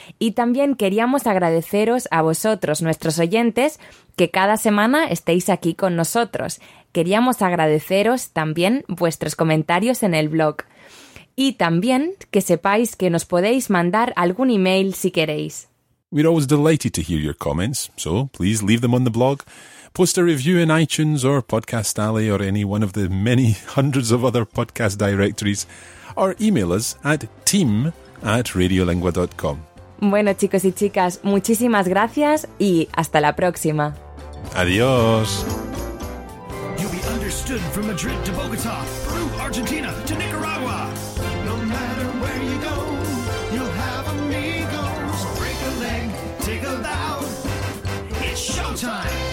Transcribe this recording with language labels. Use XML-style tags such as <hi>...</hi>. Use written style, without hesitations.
<es>Y también queríamos agradeceros a vosotros, nuestros oyentes, que cada semana estéis aquí con nosotros. Queríamos agradeceros también vuestros comentarios en el blog. Y también que sepáis que nos podéis mandar algún email si queréis.</es> <en>We're always delighted to hear your comments, so please leave them on the blog. Post a review in iTunes or Podcast Alley or any one of the many hundreds of other podcast directories. Or email us at team@radiolingua.com.</en> <es>Bueno, chicos y chicas, muchísimas gracias y hasta la próxima. Adiós.</es> <en>You'll be understood from Madrid to Bogotá, Peru, Argentina to Nicaragua. No matter where you go, you'll have amigos. Break a leg, take a bow. It's showtime.</en>